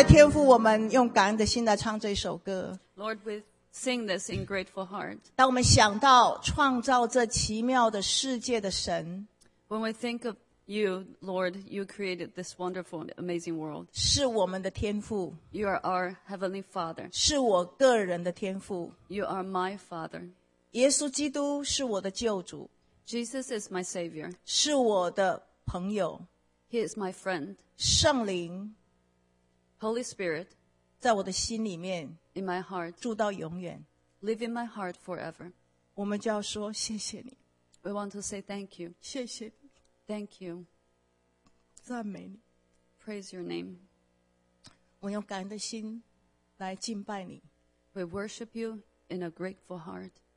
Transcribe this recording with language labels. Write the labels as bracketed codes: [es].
[zh] 父，我们用感恩的心来唱这首歌。 [en] Lord, we sing this in grateful heart. [zh] 当我们想到创造这奇妙的世界的神 [en] ，When we think of you, Lord, you created this wonderful, amazing world. [zh] 是我们的天父。 [en] You are our heavenly Father. [zh] 是我个人的天父。 [en] You are my Father. [zh] 耶稣基督是我的救主。 [en] Jesus is my Savior. [zh] 是我的朋友。 [en] He is my friend. [zh] 圣灵。 [en] Holy Spirit, [zh] 在我的心里面 [en] in my heart, [zh] 住到永远 [en] live in my heart forever. [zh] 我们就要说谢谢你 [en] We want to say thank you. [zh] 谢谢你 [en] Thank you. [zh] 赞美你 [en] Praise your name. [zh] 我用感恩的心来敬拜你 [en] We worship you in a grateful heart.